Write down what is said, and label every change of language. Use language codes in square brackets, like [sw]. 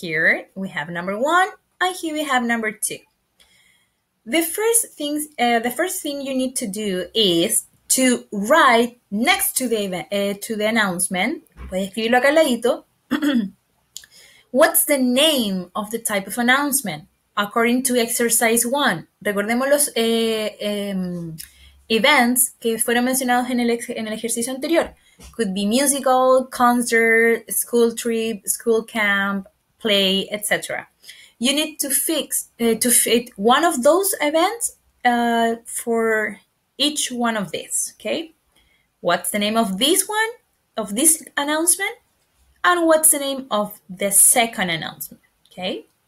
[en] Here we have number one, and here we have number two. The first thing you need to do is to write next to the event, to the announcement, [es] puedes escribirlo acá al ladito. [en] What's the name of the type of announcement? According to exercise one, [es] recordemos los events que fueron mencionados en el ejercicio anterior. [en] Could be musical, concert, school trip, school camp, play, etc. You need to fit one of those events for each one of these. Okay, what's the name of this one, of this announcement, and what's the name of the second announcement? Okay.